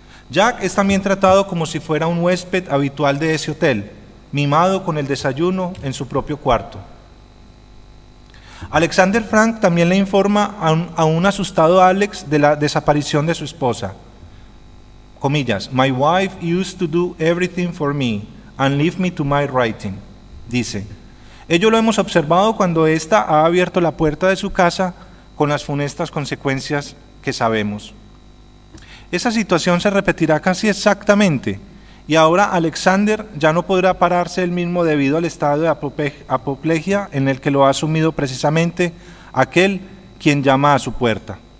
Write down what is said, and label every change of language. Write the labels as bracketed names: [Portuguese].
[Spanish] Jack es también tratado como si fuera un huésped habitual de ese hotel, mimado con el desayuno en su propio cuarto. Alexander Frank también le informa a un asustado Alex de la desaparición de su esposa. Comillas, [English] "My wife used to do everything for me and leave me to my writing", [Spanish] dice. Ello lo hemos observado cuando esta ha abierto la puerta de su casa con las funestas consecuencias que sabemos. Esa situación se repetirá casi exactamente, y ahora Alexander ya no podrá pararse él mismo debido al estado de apoplejía en el que lo ha asumido precisamente aquel quien llama a su puerta.